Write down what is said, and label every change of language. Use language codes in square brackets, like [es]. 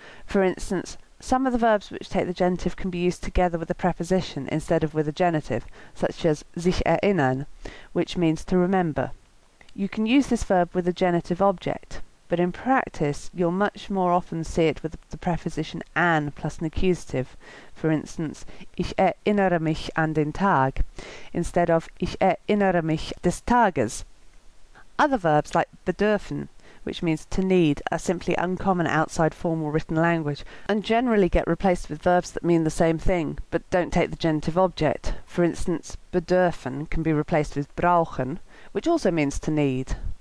[en] For instance, some of the verbs which take the genitive can be used together with a preposition instead of with a genitive, such as sich erinnern, which means to remember. You can use this verb with a genitive object, but in practice you'll much more often see it with the preposition an plus an accusative. For instance, [de] ich erinnere mich an den Tag, [en] instead of [de] ich erinnere mich des Tages. [en] Other verbs like bedürfen, which means to need, are simply uncommon outside formal written language and generally get replaced with verbs that mean the same thing but don't take the genitive object. For instance, bedürfen can be replaced with brauchen, which also means to need.